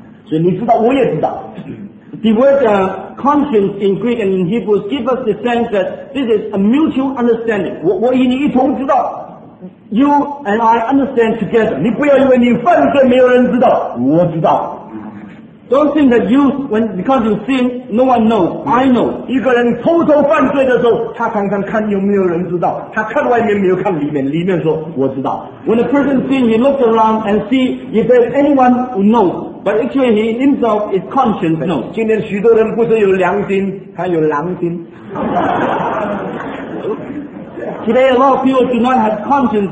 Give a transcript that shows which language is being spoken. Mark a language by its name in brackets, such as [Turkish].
[English] The word conscience in Greek and in Hebrew gives us the sense that this is a mutual understanding. [Chinese] 我与你一同知道。 [English] You and I understand together. [Chinese] 你不要以为你犯罪没有人知道，我知道。 [English] Don't think that you, when because you sin, no one knows. I know. [Chinese] 一个人偷偷犯罪的时候，他常常看有没有人知道。他看外面没有看里面，里面说我知道。 [English] When a person sins, he looks around and see if there's anyone who knows. But actually, he himself is conscience knows. [Chinese] 今天许多人不是有良心，他有狼心。 [English] Today, a lot of people do not have conscience.